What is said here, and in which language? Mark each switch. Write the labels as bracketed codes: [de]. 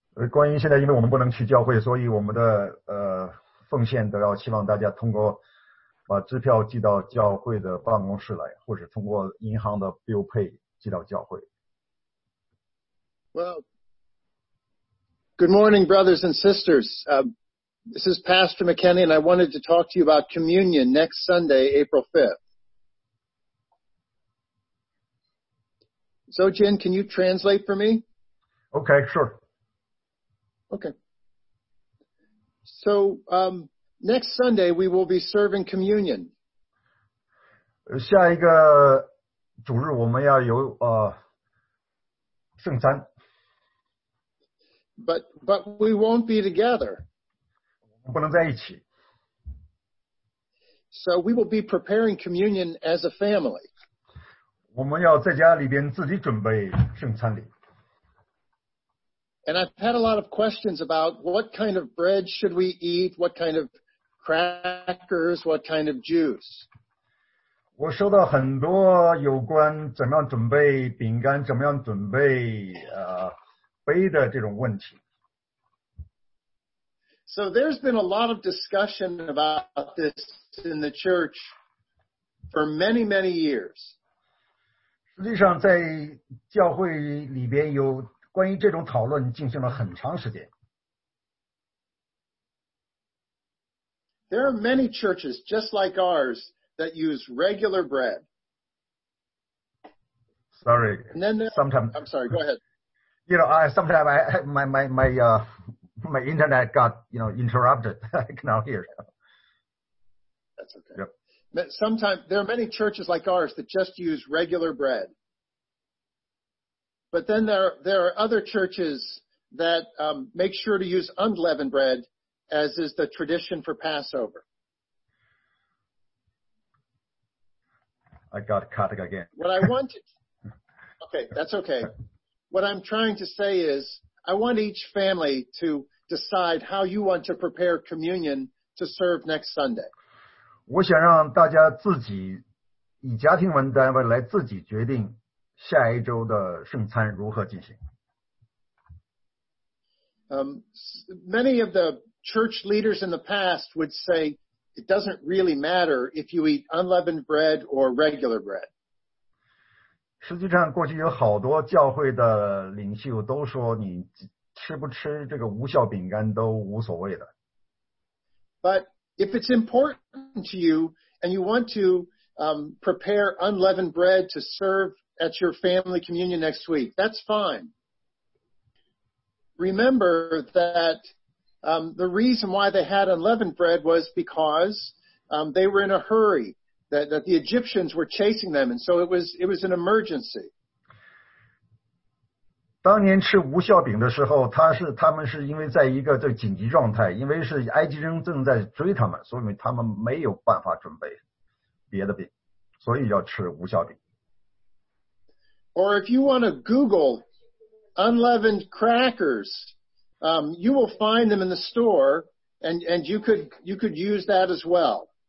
[zh] 关于现在因为我们不能去教会，所以我们的奉献都要希望大家通过把支票寄到教会的办公室来，或者通过银行的 bill pay 寄到教会。 [en] Well, good morning, brothers and sisters. This is Pastor McKenney, and I wanted to talk to you about communion next Sunday, April 5th. So, Jin, can you translate for me? Okay, sure. Okay. So, next Sunday we will be serving communion. [zh] 下一个主日我们要有圣餐。 [en] But we won't be together. [zh] 我们不能在一起。 [en] So we will be preparing communion as a family. [zh] 我们要在家里边自己准备圣餐礼。 [en] And I've had a lot of questions about what kind of bread should we eat, what kind of crackers, what kind of juice. [zh] 我收到很多有关怎么样准备饼干，怎么样准备杯的这种问题。 [en] So there's been a lot of discussion about this in the church for many, many years. [zh] 实际上在教会里边有关于这种讨论进行了很长时间。 [en] There are many churches just like ours that use regular bread. Sorry. And then I'm sorry. Go ahead. You know, my internet got interrupted. I cannot hear. That's okay. Yep. There are many churches like ours that just use regular bread. But then there are other churches that make sure to use unleavened bread, as is the tradition for Passover. I got cut again. What I'm trying to say is, I want each family to decide how you want to prepare communion to serve next Sunday. [zh] 我想让大家自己以家庭为单位来自己决定。下一周的圣餐如何进行？ [en] Many of the church leaders in the past would say it doesn't really matter if you eat unleavened bread or regular bread. [zh] 实际上过去有好多教会的领袖都说你吃不吃这个无效饼干都无所谓的。 [en] But if it's important to you and you want to prepare unleavened bread to serve at your family communion next week, that's fine. Remember that the reason why they had unleavened bread was because they were in a hurry, that the Egyptians were chasing them, and so it was an emergency. [zh] 当年吃无效饼的时候，他们是因为在一个这紧急状态，因为是埃及人正在追他们，所以他们没有办法准备别的饼，所以要吃无效饼。 [en] Or if you want to Google unleavened crackers, you will find them in the store, and you could use that as well.